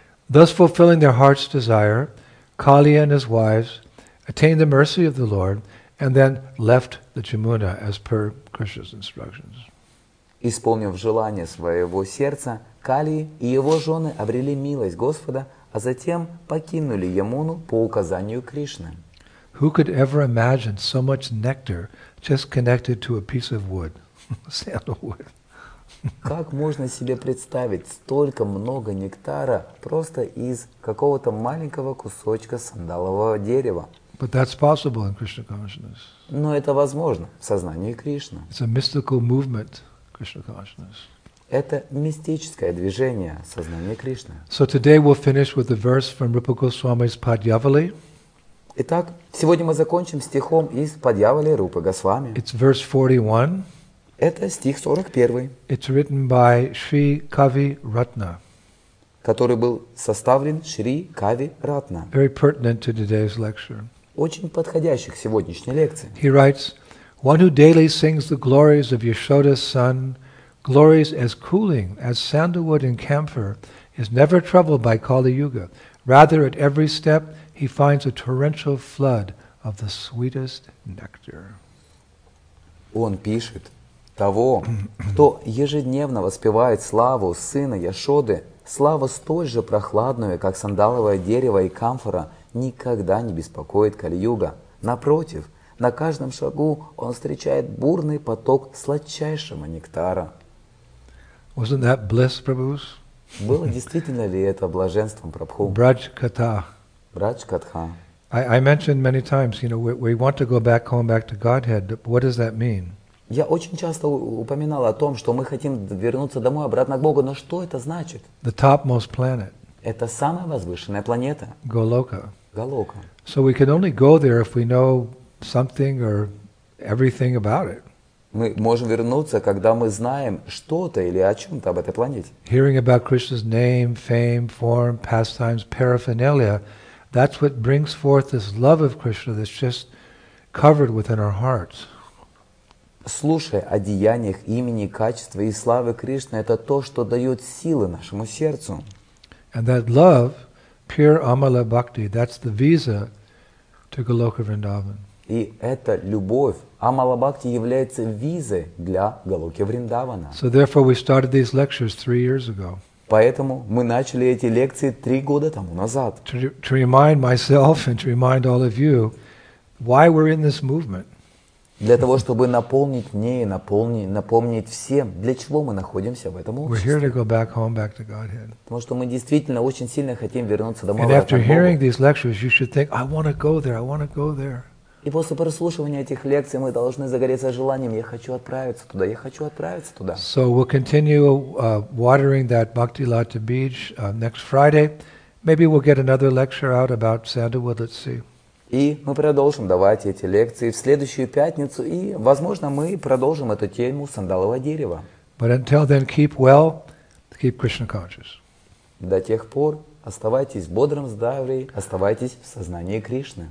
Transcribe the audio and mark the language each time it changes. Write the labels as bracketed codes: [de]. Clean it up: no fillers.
[en] Thus fulfilling their heart's desire, Kali and his wives attained the mercy of the Lord and then left the Jamuna as per Krishna's instructions. [ru] Исполнив желание своего сердца, Кали и его жены обрели милость Господа, а затем покинули Ямуну по указанию Кришны. [en] Who could ever imagine so much nectar just connected to a piece of wood, sandalwood? [ru] Как можно себе представить столько много нектара просто из какого-то маленького кусочка сандалового дерева? [en] But that's possible in Krishna consciousness. [ru] Но это возможно в сознании Кришны. [en] It's a mystical movement, Krishna consciousness. [ru] Это мистическое движение сознания Кришны. [en] So today we'll finish with a verse from Rupa Goswami's Padyavali. [ru] Итак, сегодня мы закончим стихом из Падьявали Рупы Госвами. [en] It's verse 41. [ru] Это стих 41. [en] It's written by Shri Kavi Ratna. [ru] Который был составлен Шри Кави Ратна. [en] Very pertinent to today's lecture. [ru] Очень подходящий к сегодняшней лекции. [en] He writes, "One who daily sings the glories of Yashoda's son, glories as cooling as sandalwood and camphor, is never troubled by Kali Yuga. Rather, at every step, he finds a torrential flood of the sweetest nectar." [ru] Он пишет, того, кто ежедневно воспевает славу сына Яшоды, слава столь же прохладная, как сандаловое дерево и камфора, никогда не беспокоит Кали-Юга. Напротив, на каждом шагу он встречает бурный поток сладчайшего нектара. [en] Wasn't that bliss, Prabhu? [ru] Было действительно ли это блаженством, Прабху? Брадж-ката. Брадж-катха. [en] I mentioned many times, you know, we want to go back home, back to Godhead. What does that mean? [ru] Я очень часто упоминал о том, что мы хотим вернуться домой, обратно к Богу. Но что это значит? [en] The topmost planet. [ru] Это самая возвышенная планета. Голока. Голока. [en] So we can only go there if we know something or everything about it. [ru] Мы можем вернуться, когда мы знаем что-то или о чем-то об этой планете. [en] Hearing about Krishna's name, fame, form, pastimes, paraphernalia, that's what brings forth this love of Krishna that's just covered within our hearts. [ru] Слушая о деяниях, имени, качества и славы Кришны, это то, что дает силы нашему сердцу. [en] And that love, pure amala bhakti, that's the visa to Goloka Vrindavan. [ru] И эта любовь, амала бхакти, является визой для Голоки Вриндавана. [en] So therefore we started these lectures 3 years ago. [ru] Поэтому мы начали эти лекции 3 года тому назад. [en] To remind myself and to remind all of you why we're in this movement. [ru] Для того, чтобы наполнить мне и напомнить всем, для чего мы находимся в этом обществе. [en] We're here to go back home, back to Godhead. [ru] Потому что мы действительно очень сильно хотим вернуться домой. [en] And after hearing these lectures, you should think, I want to go there, I want to go there. [ru] И после прослушивания этих лекций мы должны загореться желанием, я хочу отправиться туда, я хочу отправиться туда. [en] So we'll continue watering that Bhakti Lata Beach next Friday. Maybe we'll get another lecture out about sandalwood, let's see. [ru] И мы продолжим давать эти лекции в следующую пятницу, и, возможно, мы продолжим эту тему сандалового дерева. But until then, keep well, keep Krishna conscious. До тех пор оставайтесь в бодром здравии, оставайтесь в сознании Кришны.